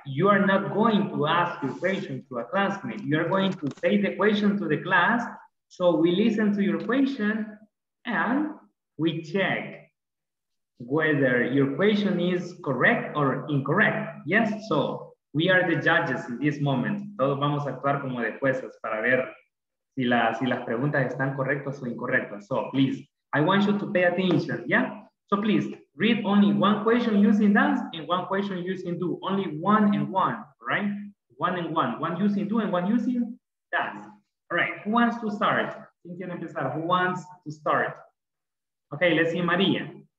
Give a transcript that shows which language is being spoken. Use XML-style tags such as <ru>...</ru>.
<en>You are not going to ask your question to a classmate. You are going to say the question to the class. So we listen to your question and we check whether your question is correct or incorrect. Yes, so we are the judges in this moment.</en> <es>Todos vamos a actuar como de jueces para ver si las preguntas están correctas o incorrectas.</es> <en>So please, I want you to pay attention, yeah? So please, read only one question using does and one question using do, only one and one, right? One and one, one using do and one using does. All right, who wants to start? Who wants to start? Okay, let's see Maria.</en>